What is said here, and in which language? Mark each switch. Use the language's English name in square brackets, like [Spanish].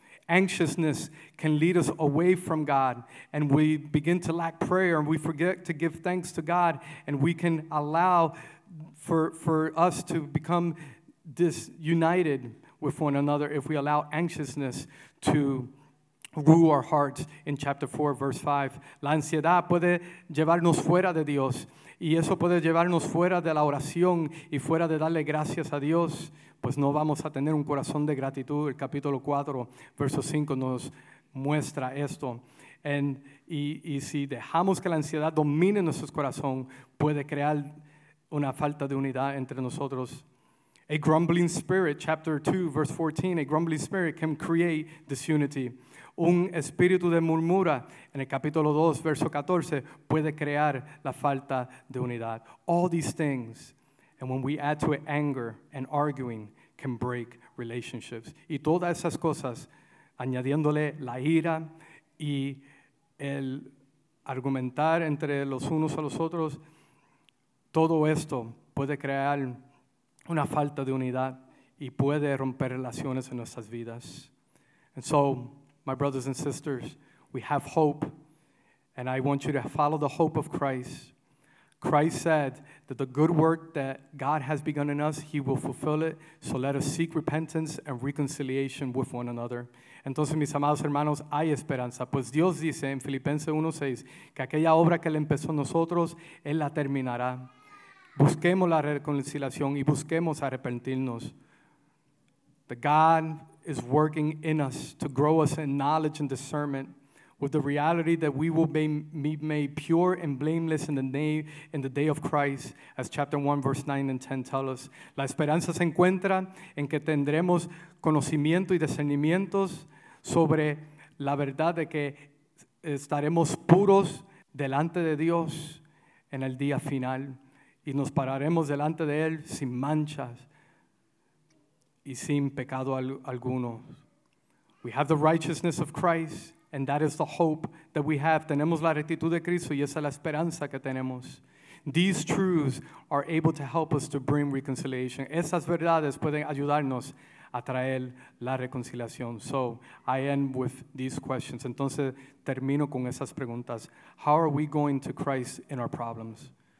[English] Anxiousness can lead us away from God, and we begin to lack prayer, and we forget to give thanks to God, and we can allow for us to become disunited with one another if we allow anxiousness to rule our hearts. In chapter 4, verse 5, [Spanish] la ansiedad puede llevarnos fuera de Dios, y eso puede llevarnos fuera de la oración y fuera de darle gracias a Dios. Pues no vamos a tener un corazón de gratitud. El capítulo 4, verso 5 nos muestra esto. Y si dejamos que la ansiedad domine nuestro corazón, puede crear una falta de unidad entre nosotros. [English] A grumbling spirit, chapter 2, verse 14, a grumbling spirit can create disunity. [Spanish] Un espíritu de murmura, en el capítulo 2, verso 14, puede crear la falta de unidad. [English] All these things. And when we add to it anger and arguing, can break relationships. [Spanish] Y todas esas cosas, añadiéndole la ira y el argumentar entre los unos a los otros, todo esto puede crear una falta de unidad y puede romper relaciones en nuestras vidas. [English] And so, my brothers and sisters, we have hope, and I want you to follow the hope of Christ. Christ said that the good work that God has begun in us, he will fulfill it. So let us seek repentance and reconciliation with one another. [Spanish] Entonces, mis amados hermanos, hay esperanza. Pues Dios dice en Filipenses 1:6 que aquella obra que él empezó en nosotros, él la terminará. Busquemos la reconciliación y busquemos arrepentirnos. [English] That God is working in us to grow us in knowledge and discernment, with the reality that we will be made pure and blameless in the day of Christ, as chapter 1, verse 9 and 10 tell us. [Spanish] La esperanza se encuentra en que tendremos conocimiento y discernimientos sobre la verdad de que estaremos puros delante de Dios en el día final, y nos pararemos delante de Él sin manchas y sin pecado alguno. [English] We have the righteousness of Christ, and that is the hope that we have. [Spanish] Tenemos la rectitud de Cristo y esa es la esperanza que tenemos. [English] These truths are able to help us to bring reconciliation. [Spanish] Esas verdades pueden ayudarnos a traer la reconciliación. [English] So I end with these questions. [Spanish] Entonces termino con esas preguntas. [English] How are we going to Christ in our problems?